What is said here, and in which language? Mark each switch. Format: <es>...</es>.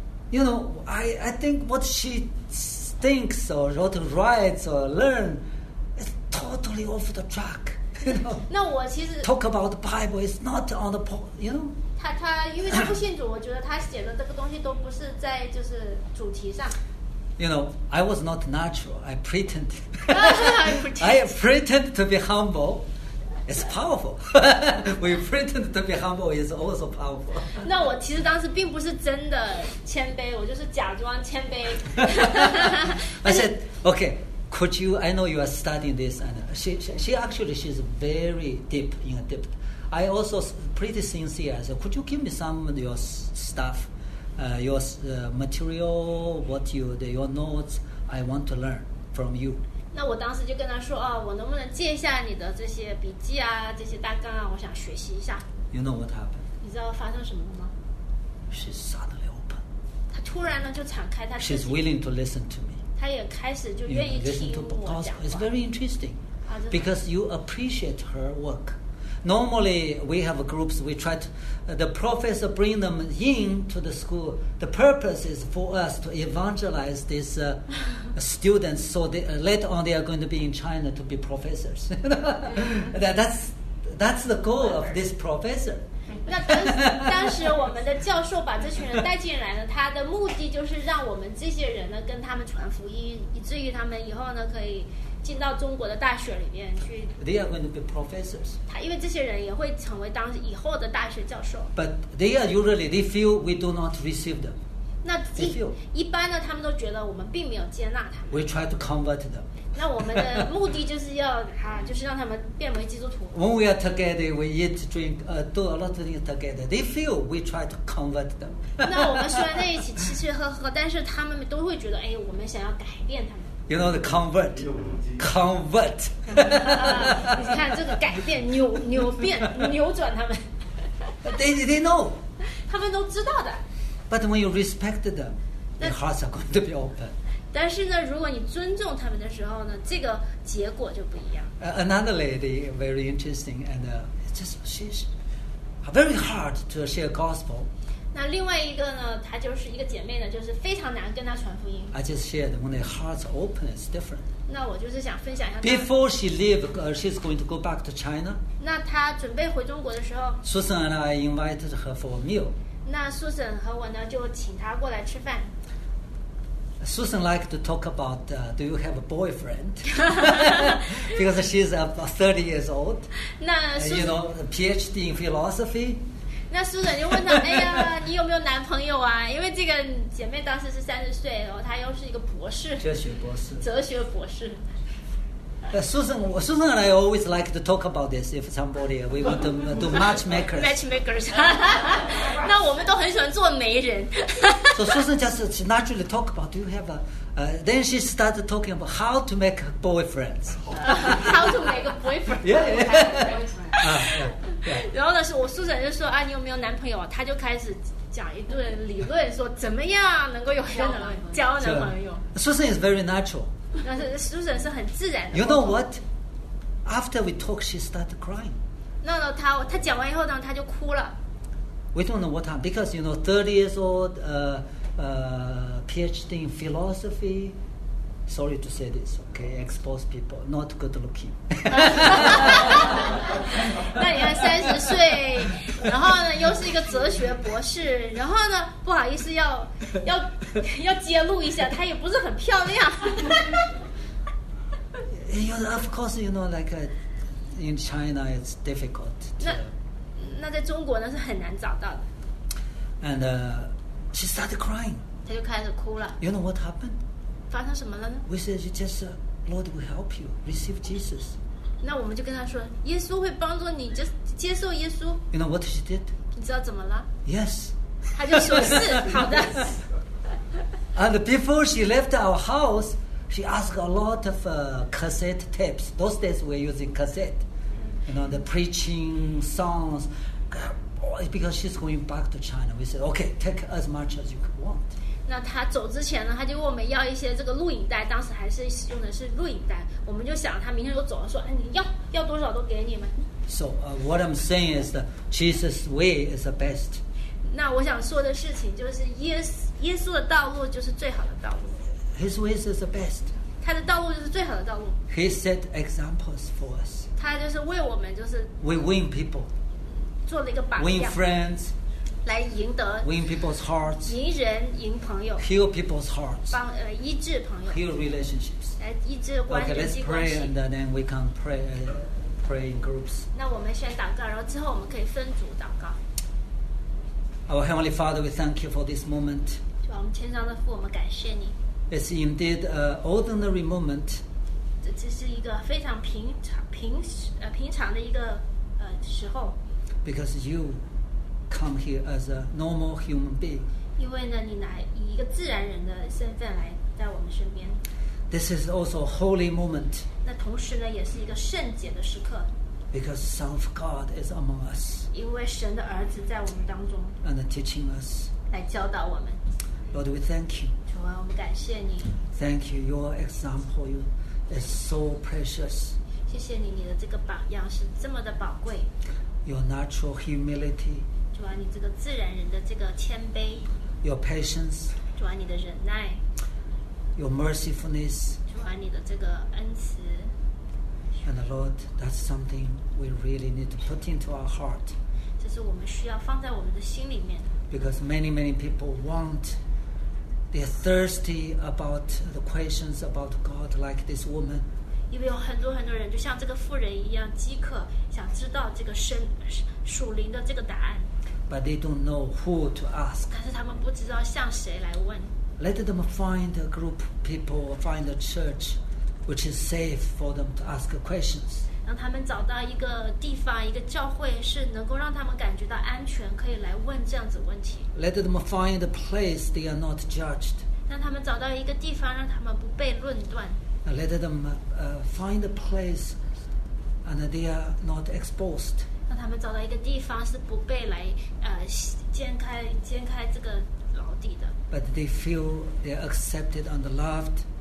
<en>You know, I think what she thinks or wrote, writes or learns is totally off the track. You know?</en> <zh>那我其实</zh> <en>talk about the Bible is not on the point, you know?</en> <zh>他因为他不信主，我觉得他写的这个东西都不是在就是主题上。</zh> <en>You know, I was not natural. I pretend. I pretend to be humble. It's powerful. We pretend to be humble is also powerful.</en> <zh>那我其实当时并不是真的谦卑，我就是假装谦卑。</zh> <en>I said, okay, could you? I know you are studying this, and she's very deep in a deep. I also pretty sincere. I said, could you give me some of your stuff, your material, your notes? I want to learn from you.</en> <zh>那我当时就跟他说，我能不能借一下你的这些笔记啊，这些大纲啊，我想学习一下。</zh> <en>You know what happened?</en> <zh>你知道发生什么吗？</zh> <en>She suddenly opened.</en> <zh>她突然呢就敞开她自己。</zh> <en>She's willing to listen to me.</en> <zh>她也开始就愿意听我讲话。</zh> <en>listen to, it's very interesting. Because you appreciate her work. Normally, we have groups, we try to, the professor bring them in to the school. The purpose is for us to evangelize these students, so they, later on they are going to be in China to be professors. that's the goal of this professor.</en> <zh>当时我们的教授把这群人带进来了，他的目的就是让我们这些人呢跟他们传福音，以至于他们以后呢可以进到中国的大学里面去。</zh> <en>They are going to be professors.</en> <zh>他因为这些人也会成为当以后的大学教授。</zh> <en>But they are usually they feel we do not receive them.</en> <zh>那 一般呢，他们都觉得我们并没有接纳他们。</zh> <en>We try to convert them.</en> <zh>那我们的目的就是要就是让他们变为基督徒。</zh> <en>When we are together, we eat, drink, do a lot of things together. They feel we try to convert them.</en> <zh>那我们虽然在一起吃吃喝喝，但是他们都会觉得，哎，我们想要改变他们。</zh> <en>You know the convert, convert.</en> <zh>你看这个改变、扭变、扭转他们。</zh> <en>They know.</en> <zh>他们都知道的。</zh> <en>But when you respect them, their hearts are going to be open.</en> <zh>但是呢，如果你尊重他们的时候呢，这个结果就不一样。</zh> <en>Another lady, very interesting, and just she's very hard to share gospel.</en> <zh>那另外一个呢，她就是一个姐妹呢，就是非常难跟她传福音。</zh> <en>I just shared when the heart's open, it's different.</en> <zh>那我就是想分享一下。</zh> <en>Before she leave, she's going to go back to China.</en> <zh>那她准备回中国的时候</zh> <en>，Susan and I invited her for a meal.</en> <zh>那 Susan 和我呢就请她过来吃饭。</zh> <en>Susan liked to talk about, do you have a boyfriend? Because she's about 30 years old.</en> <zh>那</zh> <en>you know, a PhD in philosophy.</en> <zh>那苏婶就问她，哎呀，你有没有男朋友啊？因为这个姐妹当时是30岁，然后她又是一个博士，哲学博士。苏婶</zh> <en>and I always like to talk about this. If somebody we want to do matchmakers.</en> <zh>那我们都很喜欢做媒人。</zh> <en>So Susan just naturally talk about, do you have a, then she started talking about how to make boyfriends. How to make a boyfriend. Yeah, yeah. Yeah.</en> <zh>然后呢，我宿舍就说啊，你有没有男朋友？他就开始讲一顿理论，说怎么样能够有交男朋友。交男朋友。</zh> <en>宿舍 is very natural.</en> <zh>但是宿舍是很自然的。</zh> <en>You know what? After we talk, she started crying. No,</en> <zh>他讲完以后呢，他就哭了。</zh> <en>We don't know what happened because you know, 30 years old, PhD in philosophy. Sorry to say this, okay? Exposed people, not good looking.</en> <zh>那你看30岁，然后呢，又是一个哲学博士，然后呢，不好意思，要揭露一下，她也不是很漂亮。</zh> <en>You know, of course, you know, like in China, it's difficult.</en> <zh>那在中国呢是很难找到的。</zh> <en>And she started crying.</en> <zh>她就开始哭了。</zh> <en>You know what happened?</en> <zh>发生什么了呢？</zh> <en>We said, just, Lord, we help you receive Jesus.</en> <zh>那我们就跟他说，耶稣会帮助你，就接受耶稣。</zh> <en>You know what she did?</en> <zh>你知道怎么了</zh> <en>？Yes.</en> <zh>他就说是好的。</zh> <en>And before she left our house, she asked a lot of cassette tapes. Those days we're using cassette. You know, the preaching songs. Because she's going back to China, we said, okay, take as much as you want.</en> <zh>那他走之前呢，他就问我们要一些这个录影带，当时还是用的是录影带。我们就想他明天就走了，说，哎，你要多少都给你们。</zh> <en>So what I'm saying is that Jesus' way is the best.</en> <zh>那我想说的事情就是耶稣的道路就是最好的道路。</zh> <en>His way is the best.</en> <zh>他的道路就是最好的道路。</zh> <en>He set examples for us.</en> <zh>他就是为我们就是。</zh> <en>We win people.</en> <zh>做了一个榜样。</zh> <en>Win friends.</en> <zh>来赢得。</zh> <en>Win people's hearts.</en> <zh>赢人赢朋友。</zh> <en>Heal people's hearts.</en> <zh>帮医治朋友。</zh> <en>Heal relationships.</en> <zh>来医治关系。</zh> <en>Okay, let's pray and then we can pray, pray in groups.</en> <zh>那我们先祷告，然后之后我们可以分组祷告。</zh> <en>Our Heavenly Father, we thank you for this moment.</en> <zh>我们天上的父，我们感谢你。</zh> <en>It's indeed an ordinary moment.</en> <zh>这是一个非常平常的一个时候。</zh> <en>Because you come here as a normal human being.</en> <zh>因为呢，你来以一个自然人的身份来在我们身边。</zh> <en>This is also a holy moment.</en> <zh>那同时呢，也是一个圣洁的时刻。</zh> <en>Because Son of God is among us.</en> <zh>因为神的儿子在我们当中。</zh> <en>And teaching us.</en> <zh>来教导我们。</zh> <en>Lord, we thank you.</en> <zh>主啊，我们感谢你。</zh> <en>Thank you. Your example is so precious.</en> <zh>谢谢你，你的这个榜样是这么的宝贵。</zh> <en>Your natural humility.</en> <zh>主啊，你这个自然人的这个谦卑。</zh> <en>Your patience.</en> <zh>主啊，你的忍耐。</zh> <en>Your mercifulness.</en> <zh>主啊，你的这个恩慈。</zh> <en>And Lord, that's something we really need to put into our heart.</en> <zh>这是我们需要放在我们的心里面。</zh> <en>Because many, many people want, they're thirsty about the questions about God, like this woman.</en> <zh>因为有很多很多人就像这个妇人一样饥渴，想知道这个神属灵的这个答案。</zh> <en>But they don't know who to ask.</en> <zh>但是他们不知道向谁来问。</zh> <en>Let them find a group of people, find a church, which is safe for them to ask questions.</en> <zh>让他们找到一个地方，一个教会是能够让他们感觉到安全，可以来问这样子问题。</zh> <en>Let them find a place they are not judged.</en> <zh>让他们找到一个地方，让他们不被论断。</zh> <en>Let them find a place, and they are not exposed.</en> <zh>让他们找到一个地方是不被来掀开这个牢底的。</zh> <en>But they feel they are accepted and loved.</en>